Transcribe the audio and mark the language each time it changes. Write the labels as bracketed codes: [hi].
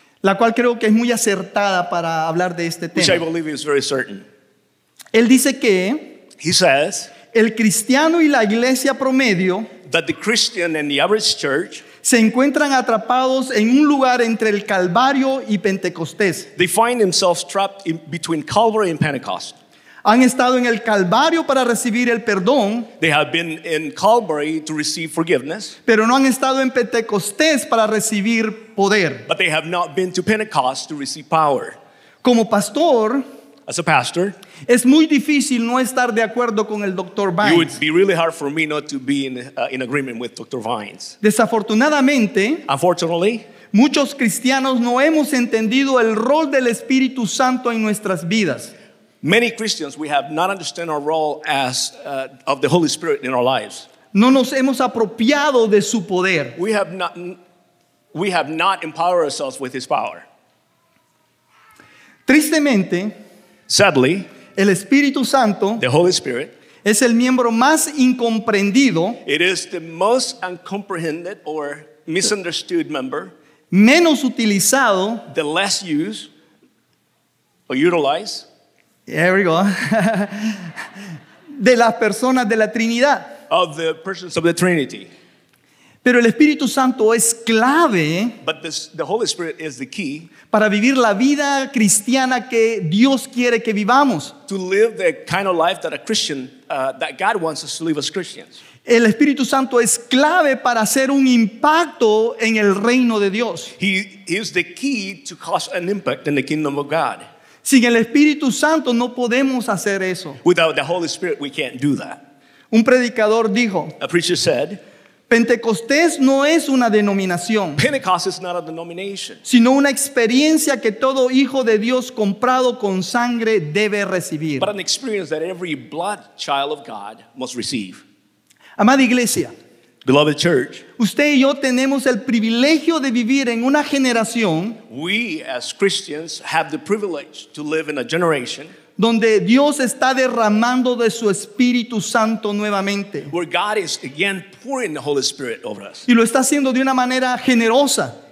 [es] la cual creo que es muy acertada para hablar de este tema. [en] Which I believe is very certain. [es] Él dice que, [en] he says, [es] el cristiano y la iglesia promedio, [en] that the Christian and the average church, [es] se encuentran atrapados en un lugar entre el Calvario y Pentecostés. [en] They find themselves trapped in between Calvary and Pentecost. [es] Han estado en el Calvario para recibir el perdón. [en] They have been in Calvary to receive forgiveness. [es] Pero no han estado en Pentecostés para recibir poder. [en] But they have not been to Pentecost to receive power. [es] Como pastor, [en] as a pastor, [es] es muy difícil no estar de acuerdo con el Dr. Vines. [en] It would be really hard for me not to be in agreement with Dr. Vines. [es] Desafortunadamente, [en] unfortunately, [es] muchos cristianos no hemos entendido el rol del Espíritu Santo en nuestras vidas. [en] Many Christians, we have not understood our role as of the Holy Spirit in our lives. [es] No nos hemos apropiado de su poder. [en] We have not empowered ourselves with his power. [es] Tristemente, [en] sadly, [es] el Espíritu Santo, [en] the Holy Spirit, [es] es el miembro más incomprendido, [en] it is the most uncomprehended or misunderstood member, [es] menos utilizado, [en] the less used or utilized, there we go, [es] de las personas de la Trinidad, [en] of the persons of the Trinity. [es] Pero el Espíritu Santo es clave, [en] but this, the Holy Spirit is the key, [es] para vivir la vida cristiana que Dios quiere que vivamos. [en] To live the kind of life that a Christian, that God wants us to live as Christians. [es] El Espíritu Santo es clave para hacer un impacto en el reino de Dios. [en] He is the key to cause an impact in the kingdom of God. [es] Sin el Espíritu Santo no podemos hacer eso. [en] Without the Holy Spirit we can't do that. [es] Un predicador dijo, [en] a preacher said, [es] Pentecostés no es una denominación, [en] Pentecost is not a denomination, [es] sino una experiencia que todo hijo de Dios comprado con sangre debe recibir. [en] But an experience that every blood child of God must receive. [es] Amada iglesia, [en] beloved church, [es] usted y yo tenemos el privilegio de vivir en una generación, [en] we as Christians have the privilege to live in a generation, [es] donde Dios está derramando de su Espíritu Santo nuevamente. [en] Where God is again pouring the Holy Spirit over us. [es] Y lo está haciendo de una manera generosa.